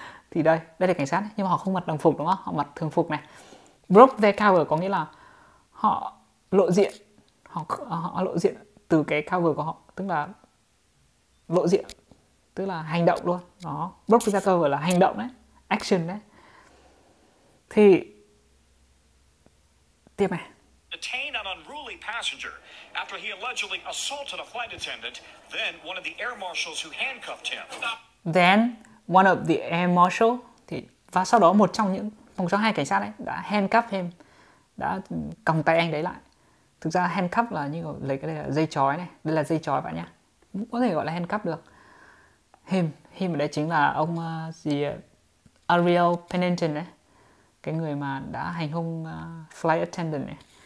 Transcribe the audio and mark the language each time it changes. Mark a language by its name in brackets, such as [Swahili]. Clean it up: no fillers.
[Vietnamese] Thì đây là cảnh sát nhưng mà họ không mặc đồng phục đúng không, họ mặc thường phục này. [English] Broke their cover [Vietnamese] có nghĩa là họ lộ diện, họ lộ diện từ cái cover của họ, tức là lộ diện tức là hành động luôn đó. Broke their cover là hành động đấy, action đấy. Thì tiếp này, [English] detained an unruly passenger after he allegedly assaulted a flight attendant, then one of the air marshals who handcuffed him. Then one of the air marshal, [Vietnamese] thì và sau đó một trong hai cảnh sát ấy đã handcuff him, đã còng tay anh đấy lại. Thực ra handcuff là như lấy cái này là dây chói này, đây là dây chói bạn nhé, cũng có thể gọi là handcuff được. Him ở đây chính là ông gì, Ariel Pennington ấy, cái người mà đã hành hung flight attendant này.